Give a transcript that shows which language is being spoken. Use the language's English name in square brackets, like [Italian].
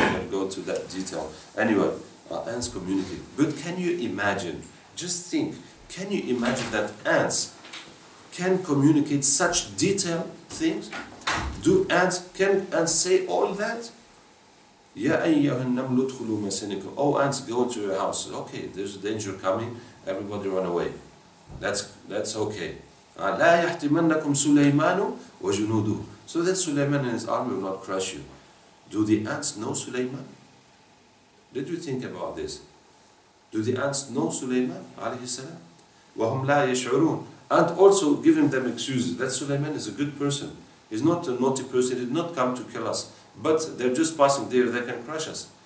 [English] Go to that detail. Anyway, ants communicate. But can you imagine, just think, can you imagine that ants can communicate such detailed things? Can ants say all that? [Arabic] يا أيها النمل ادخلوا مساكنكم. [English] Oh, ants, go to your house. Okay, there's a danger coming. Everybody run away. That's okay. [Arabic] لا يحتمنكم سليمان وجنوده. [English] So that Sulaiman and his army will not crush you. Do the ants know Sulaiman? Did you think about this? Do the ants know Sulaiman [Arabic] عليه السلام? وهم لا يشعرون. [English] And also giving them excuses that Sulaiman is a good person. He's not a naughty person. He did not come to kill us. But they're just passing there, they can crush us.